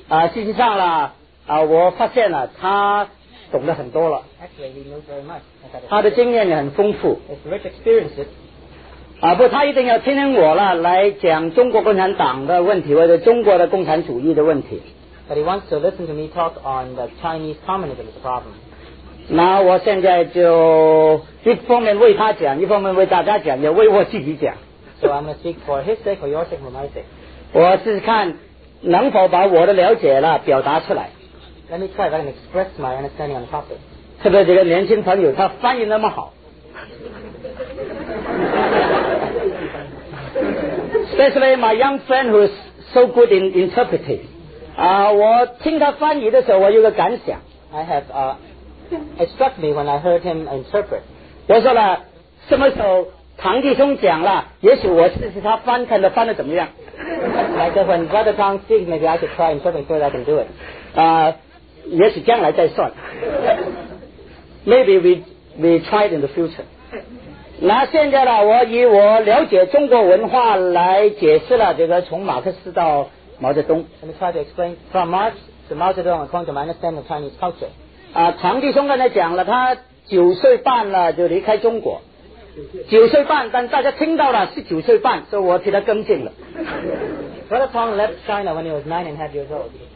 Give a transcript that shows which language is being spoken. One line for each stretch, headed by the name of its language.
Chinese: 事实上啦，我发现了他懂得很多了。
English: Actually, he knows very much.
Chinese: 他的经验也很丰富。
English: His rich experiences.
Chinese: 不，他一定要听听我了，来讲中国共产党的问题或者中国的共产主义的问题。
English: But he wants to listen to me talk on the Chinese communism problem.
Chinese: 那我现在就一方面为他讲，一方面为大家讲，也为我自己讲。
English: So I'm going to speak for his sake, for your sake, for my sake.
Chinese: 我试试看能否把我的了解了表达出来。
English: Let me try to express my understanding on the topic.
Chinese: 特别这个年轻朋友，他翻译那么好。
English: Especially my young friend who is so good in interpreting.
Chinese: 我听他翻译的时候，我有个感想。
English: It struck me when I heard him interpret.
Chinese: 我说了，什么时候唐弟兄讲了，也许我试试他翻，看他翻得怎么样。
English: Like when Brother Tang speaks, maybe I could try interpreting so that I can do it.
Chinese: 也许将来再算。
English: Maybe we try it in the future.
Chinese: 那现在呢，我以我了解中国文化来解释了这个从马克思到毛泽东。
English: Let me try to explain from Marx to Mao Zedong according to my understanding of Chinese culture.
Chinese: 唐弟兄刚才讲了，他九岁半了就离开中国。九岁半，但大家听到了是九岁半，所以我替他更正了。
English: Brother Tang left China when he was 9.5 years old.